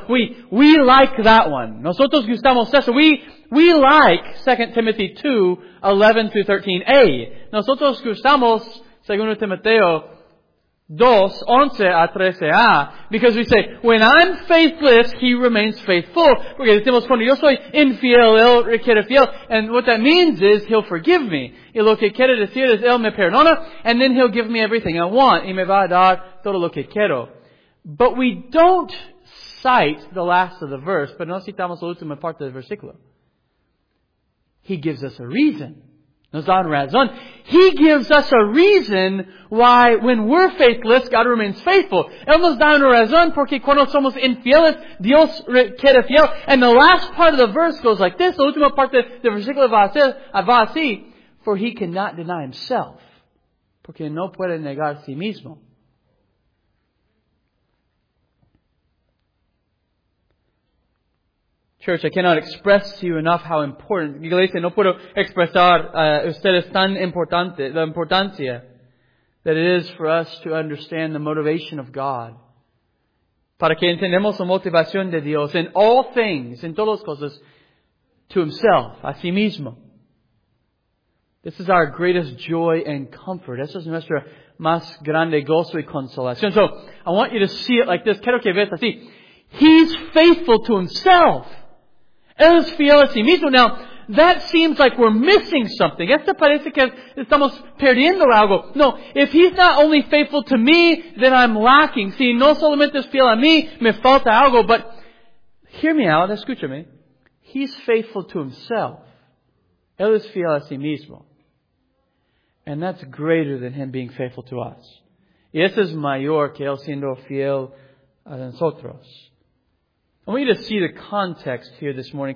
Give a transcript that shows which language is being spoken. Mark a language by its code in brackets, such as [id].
[en] We like that one. [es] Nosotros gustamos eso. [en] We like 2 Timothy 2, 11-13a. [es] Nosotros gustamos 2 Timoteo 2, 11-13a, [en] because we say, when I'm faithless, He remains faithful. [es] Porque decimos, cuando yo soy infiel, Él requiere fiel. [en] And what that means is, He'll forgive me. [es] Y lo que quiere decir es, Él me perdona, [en] and then He'll give me everything I want. [es] Y me va a dar todo lo que quiero. [en] But we don't cite the last of the verse, [es] pero no citamos la última parte del versículo. [en] He gives us a reason. [es] Nos dan razón. [en] He gives us a reason why when we're faithless, God remains faithful. [es] Él nos da una razón porque cuando somos infieles, Dios queda fiel. [en] And the last part of the verse goes like this. [es] La última parte del versículo va así. [en] For He cannot deny Himself. [es] Porque no puede negar a sí mismo. [en] Church, I cannot express to you enough how important. [es] Iglesia, no puedo expresar ustedes tan importante la importancia [en] that it is for us to understand the motivation of God. [es] Para que entendamos la motivación de Dios [en] in all things, [es] in todas las cosas, [en] to Himself, [es] a sí mismo. [en] This is our greatest joy and comfort. [es] Esto es nuestro más grande gozo y consolación. [en] So I want you to see it like this. [es] Quiero que veas así. [en] He's faithful to Himself. [es] Él es fiel a sí mismo. [en] Now, that seems like we're missing something. [es] Esto parece que estamos perdiendo algo. [en] No, if he's not only faithful to me, then I'm lacking. [es] Si no solamente es fiel a mí, me falta algo. [en] But hear me out, [es] escúchame. [en] He's faithful to himself. [es] Él es fiel a sí mismo. [en] And that's greater than him being faithful to us. [es] Y eso es mayor que él siendo fiel a nosotros. [en] I want you to see the context here this morning.